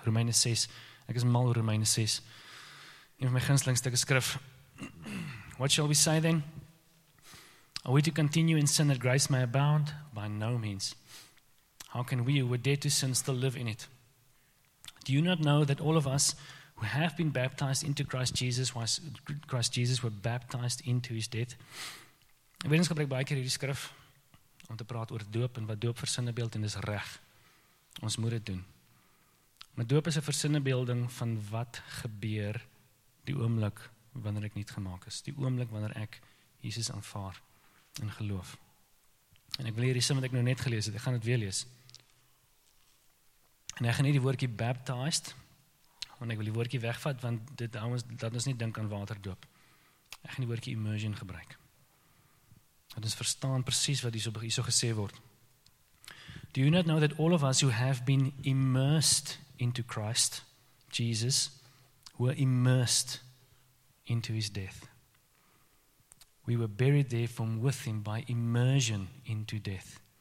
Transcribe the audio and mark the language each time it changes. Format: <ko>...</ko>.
<af>Romeine 6, ek is mal Romeine 6, een van my gunstelingstukke skrif.</af> <en>What shall we say then? Are we to continue in sin that grace may abound? By no means. How can we who were dead to sin still live in it? Do you not know that all of us who have been baptized into Christ Jesus, were baptized into his death?</en> <af>Weddenskap breek baie keer hierdie skrif om te praat oor doop en wat doop versinnebeeld en dis reg. Ons moet dit doen. Maar doop is 'n versinnebeelding van wat gebeur die oomblik wanneer ek nuut gemaak is. Die oomblik wanneer ek Jesus aanvaar in geloof. En ek wil hierdie sin wat ek nou net gelees het, ek gaan dit weer lees. En ek gaan nie die woordjie baptized, want ek wil die woordjie wegvat, want dit hou ons, dat ons nie dink aan waterdoop. Ek gaan die woordjie immersion gebruik. Dat ons verstaan precies wat hierso gesê word.</af> <en>Do you not know that all of us who have been immersed into Christ, Jesus, were immersed into his death? We were buried there from with him by immersion into death.</en>